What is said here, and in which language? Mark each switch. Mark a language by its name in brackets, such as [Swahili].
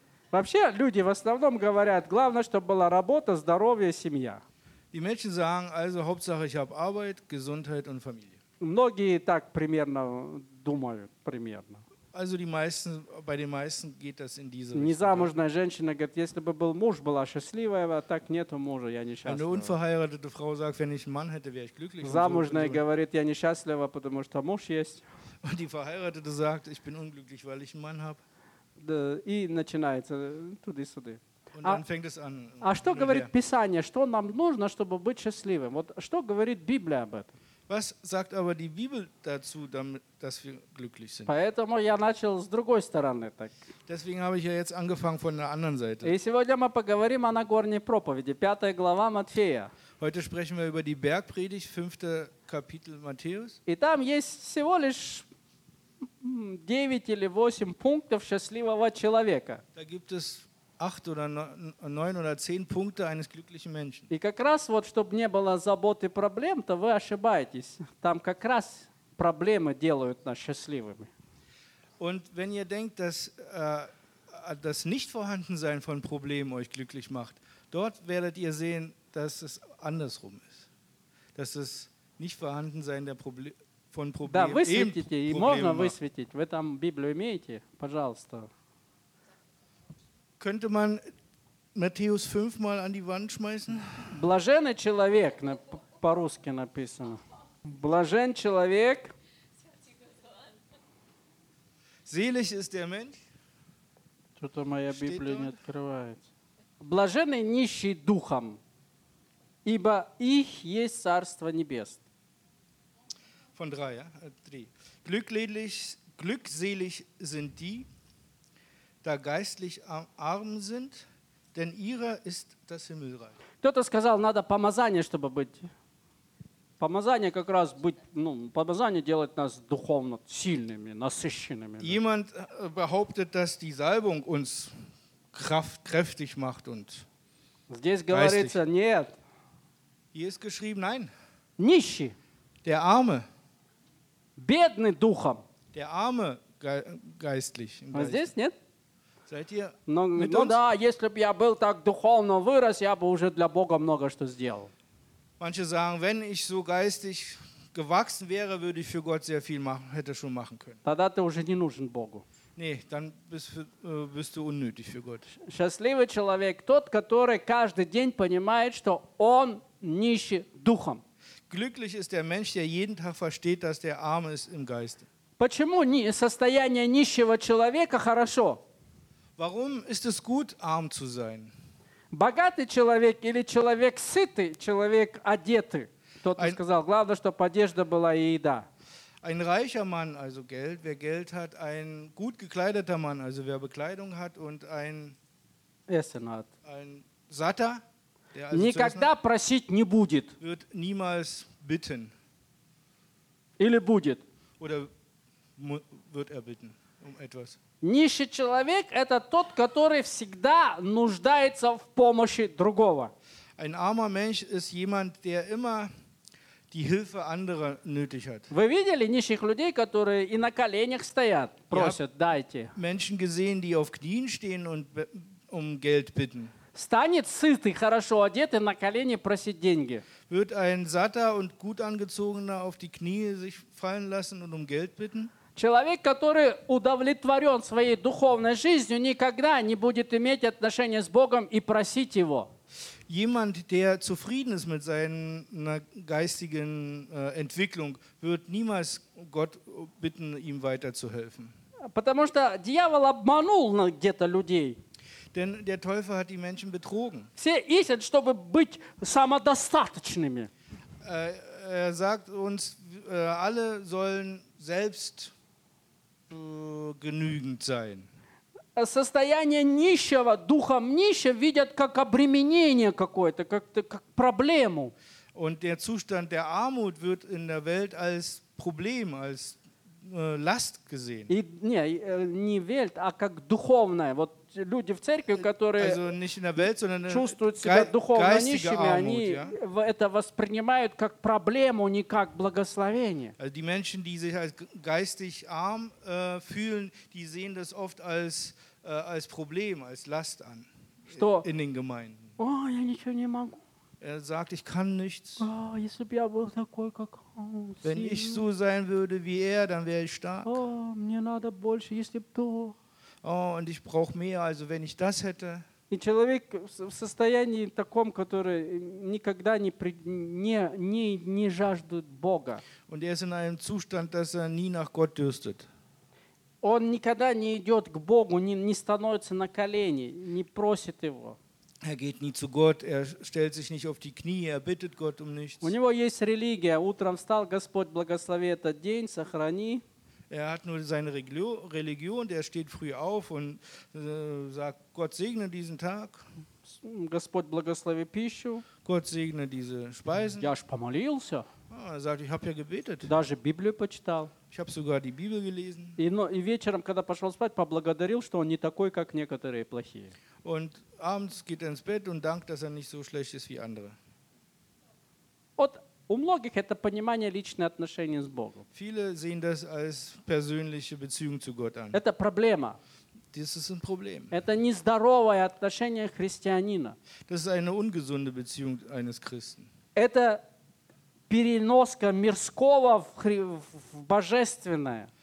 [Russian] Вообще, люди в основном говорят, главное, чтобы была работа, здоровье, семья. [German] Die Menschen sagen, also Hauptsache, ich habe Arbeit, Gesundheit und Familie. [Russian] Многие так примерно думают, примерно. [German] Also die meisten, bei den meisten geht das in diese Richtung. [Russian] Незамужная женщина говорит, если бы был муж, была счастливая, а так нету мужа, я несчастлива. [German] Eine unverheiratete Frau sagt, wenn ich einen Mann hätte, wäre ich glücklich. [Russian] Замужная говорит, я несчастлива, потому что муж есть. [German] Und die Verheiratete sagt, ich bin unglücklich, weil ich einen Mann habe. [Russian] И начинается туда-сюда. [German] Und dann fängt es an. [Russian] А что говорит Писание, что нам нужно, чтобы быть счастливым? Вот что говорит Библия об этом? [German] Was sagt aber die Bibel dazu, damit, dass wir glücklich sind? [Russian] Поэтому я начал с другой стороны так. [German] Deswegen habe ich ja jetzt angefangen von der anderen Seite. [Russian] И сегодня мы поговорим о Нагорной проповеди, 5 глава Матфея. [German] Heute sprechen wir über die Bergpredigt, 5. Kapitel Matthäus. [Russian] И там есть всего лишь 9 или 8 пунктов счастливого человека. [German] Da gibt es 8 oder 9 oder 10 Punkte eines glücklichen Menschen. [Russian] И как раз вот, чтобы не было забот и проблем, то вы ошибаетесь. Там как раз проблемы делают нас счастливыми. [German] Und wenn ihr denkt, dass das Nichtvorhandensein von Problemen euch glücklich macht, dort werdet ihr sehen, dass es andersrum ist. Dass das Nichtvorhandensein der von Problemen [Russian] Да, высветите, и можно высветить. Вы там Библию имеете? Пожалуйста. [German] Könnte man Matthäus 5 mal an die Wand schmeißen? [Russian] Блаженный человек, по-русски написано. Блажен человек. [German] Selig ist der Mensch. [Russian] Что-то моя Библия не открывается. Блаженный нищий духом, ибо их есть Царство Небес. [German] Von 3, ja? 3. Glückselig sind die, da geistlich arm sind, denn ihrer ist das Himmelreich. [Russian] Кто-то сказал, надо помазание, чтобы быть. Помазание как раз быть, ну, помазание делает нас духовно сильными, насыщенными. [German] Jemand behauptet, dass die Salbung uns kräftig macht und [Russian] Здесь говорится нет. [German] Hier ist geschrieben nein. [Russian] Нищий. [German] Der Arme. [Russian] Бедный духом. [German] Der Arme geistlich. [Russian] А здесь нет? [German] Seid ihr [Russian] Но, [German] mit [Russian] ну [German] uns? [Russian] Да, если бы я был так духовно вырос, я бы уже для Бога много что сделал. [German] Manche sagen, wenn ich so geistig gewachsen wäre, würde ich für Gott sehr viel machen, hätte schon machen können. [Russian] Тогда ты уже не нужен Богу. [German] Nee, dann bist du unnötig für Gott. [Russian] Счастливый человек тот, который каждый день понимает, что он нищий духом. [German] Glücklich ist der Mensch, der jeden Tag versteht, dass der arm ist im Geiste. [Russian] Почему состояние нищего человека хорошо? [German] Warum ist es gut, arm zu sein? [Russian] Богатый человек или человек сытый, человек одетый? Тот ein, сказал, главное, чтобы одежда была и еда. [German] Ein reicher Mann, also Geld, wer Geld hat, ein gut gekleideter Mann, also wer Bekleidung hat und ein Essen hat. Ein Satter, der also [Russian] никогда [German] zu essen, [Russian] просить не будет. [German] Wird niemals bitten. [Russian] Или будет. [German] Oder wird bitten um etwas. [Russian] Нищий человек – это тот, который всегда нуждается в помощи другого. [German] Ein armer Mensch ist jemand, der immer die Hilfe anderer nötig hat. [Russian] Вы видели нищих людей, которые и на коленях стоят, просят, дайте? [German] Menschen gesehen, die auf Knien stehen und um Geld bitten. [Russian] Станет сытый, хорошо одетый, на колени просить деньги. [German] Wird ein satter und gut angezogener auf die Knie sich fallen lassen und um Geld bitten? [Russian] Человек, который удовлетворен своей духовной жизнью, никогда не будет иметь отношения с Богом и просить Его. [German] Jemand, der zufrieden ist mit seiner geistigen Entwicklung, wird niemals Gott bitten, ihm weiterzuhelfen. [Russian] Потому что дьявол обманул где-то людей. [German] Denn der Teufel hat die Menschen betrogen. [Russian] Все ищут, чтобы быть самодостаточными. [German] Er sagt uns, alle sollen selbst genügend sein. [Russian] Состояние нищего, духом нищего видят как обременение какое-то, как проблему. [German] Und der Zustand der Armut wird in der Welt als Problem, als Last gesehen. [Russian] И, не, не Welt, а как духовная. Вот люди в церкви, которые [German] also nicht in der Welt, sondern [Russian] чувствуют себя духовно нищими, Armut, они ja? Это воспринимают как проблему, не как благословение. [German] Also die Menschen, die sich als geistig arm fühlen, die sehen das oft als als Problem, als Last an. [Russian] Что? [German] In den Gemeinden. [Russian] О, я ничего не могу. [German] Er sagt, ich kann nichts. [Russian] Oh, если бы я был такой, как он. [German] Wenn ich so sein würde wie dann wäre ich stark. [Russian] О, мне надо больше, если бы то. [German] Oh, und ich brauche mehr, also wenn ich das hätte. [Russian] И человек в состоянии таком, который никогда не жаждет Бога. [German] Und er ist in einem Zustand, dass er nie nach Gott dürstet. [Russian] Он никогда не идет к Богу, не становится на колени, не просит Его. [German] Er geht nie zu Gott, er stellt sich nicht auf die Knie, er bittet Gott um nichts. [Russian] У него есть религия. Утром встал, Господь, благослови этот день, сохрани. [German] Er hat nur seine Religion, der steht früh auf und sagt, Gott segne diesen Tag. [Russian] Господь, благослови пищу. [German] Gott segne diese Speisen. [Russian] Я ж помолился. [German] Er sagt, ich habe ja gebetet. [Russian] Даже Библию почитал. [German] Ich habe sogar die Bibel gelesen. [Russian] И вечером, когда пошел спать, поблагодарил, что он не такой, как некоторые плохие. [German] Und abends geht er ins Bett und dankt, dass er nicht so schlecht ist wie andere. [Russian] Вот у многих это понимание личные отношения с Богом. [German] Viele sehen das als persönliche Beziehung zu Gott an. [Russian] Это проблема. [German] Das ist ein Problem. [Russian] Это нездоровое отношение христианина. [German] Das ist eine ungesunde Beziehung eines Christen. [Russian] Это переноска мирского в божественное.